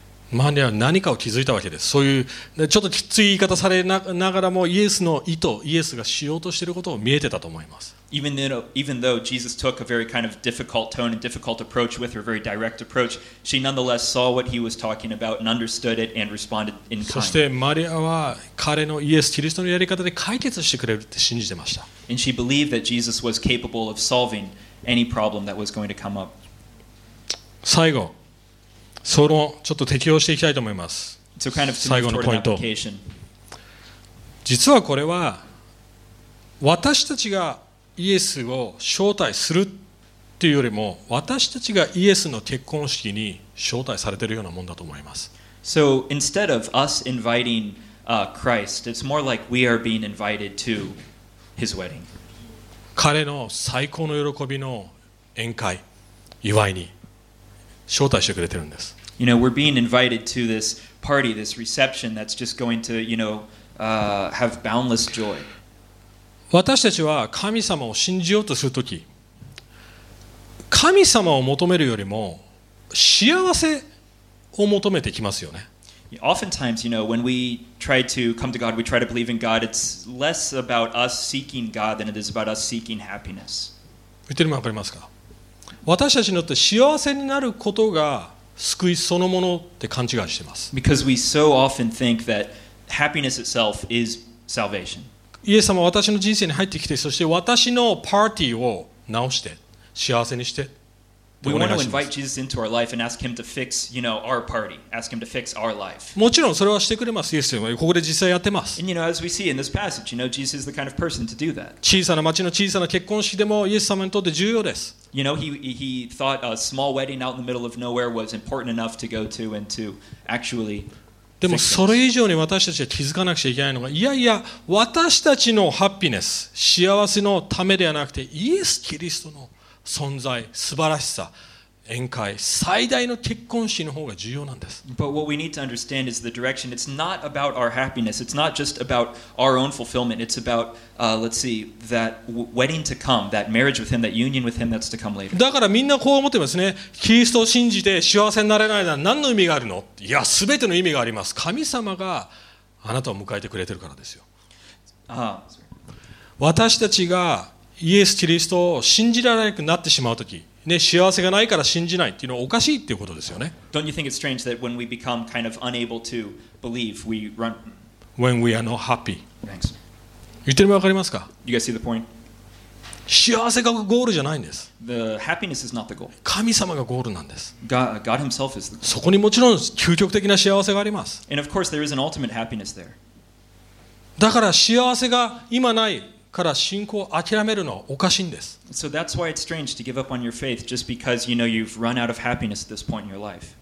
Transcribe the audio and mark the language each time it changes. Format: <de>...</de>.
<ja>マリアは何かを気づいたわけです。そういうちょっときつい言い方されながらもイエスの意図、イエスがしようとしていることを見えてたと思います。</ja> <en>Even though Jesus took a very kind of difficult tone and difficult approach with her, very direct approach, she nonetheless saw what he was talking about and understood it and responded in kind.</en> <ja>そしてマリアは彼のイエス・キリストのやり方で解決してくれるって信じてました。</ja> <en>And she believed that Jesus was capable of solving any problem that was going to come up.</en> <ja>最後、そのちょっと適用していきたいと思います。</ja> <en>So kind of to move toward an application.</en> <ja>実はこれは私たちがイエスを招待するっていうよりも私たちがイエスの結婚式に招待されているようなもんだと思います。</ja> <en>So instead of us inviting Christ, it's more like we are being invited to his wedding.</en> <ja>彼の最高の喜びの宴会、祝いに招待してくれてるんです。</ja> <en>You know, we're being invited to this party, this reception that's just going to, you know, have boundless joy.</en> <ja>私たちは神様を信じようとするとき、神様を求めるよりも幸せを求めてきますよね。</ja> <en>Oftentimes, you know, when we try to come to God, we try to believe in God, it's less about us seeking God than it is about us seeking happiness.</en> <ja>言ってるのわかりますか？私たちによって幸せになることが救いそのものって勘違いしてます。</ja> <en>Because we so often think that happiness itself is salvation.</en> <ja>イエス様は私の人生に入ってきて、そして私のパーティーを直して幸せにして。</ja> <en>We want to invite Jesus into our life and ask him to fix, you know, our party. Ask him to fix our life.</en> <ja>もちろんそれはしてくれます。イエス様はここで実際やってます。</ja> <en>And you know, as we see in this passage, you know, Jesus is the kind of person to do that.</en> <ja>小さな町の小さな結婚式でもイエス様にとって重要です。</ja> <en>You know, he thought a small wedding out in the middle of nowhere was important enough to go to and to actually</en> <ja>でもそれ以上に私たちが気づかなくちゃいけないのが、いやいや、私たちのハッピネス、幸せのためではなくて、イエス・キリストの存在、素晴らしさ、宴会、最大の結婚式の方が重要なんです。</ja> <en>But what we need to understand is the direction. It's not about our happiness. It's not just about our own fulfillment. It's about, let's see, that wedding to come, that marriage with him, that union with him that's to come later.</en> <ja>だからみんなこう思ってますね。キリストを信じて幸せになれないなら何の意味があるの？いや、すべての意味があります。神様があなたを迎えてくれてるからですよ。私たちがイエス・キリストを信じられなくなってしまうとき、ね、幸せがないから信じないっていうのはおかしいっていうことですよね。</ja> <en>Don't you think it's strange that when we become kind of unable to believe, we run? When we are not happy. Thanks.</en> <ja>言ってるのわかりますか？</ja> <en>You guys see the point?</en> <ja>幸せがゴールじゃないんです。</ja> <en>The happiness is not the goal.</en> <ja>神様がゴールなんです。</ja> <en>God himself is the goal.</en> <ja>そこにもちろん究極的な幸せがあります。</ja> <en>And of course there is an ultimate happiness there.</en> <ja>だから幸せが今ない。から信仰を諦めるのはおかしいんです。</ja> <en>So that's why it's strange to give up on your faith just because you know you've run out of happiness at this point in your life.</en>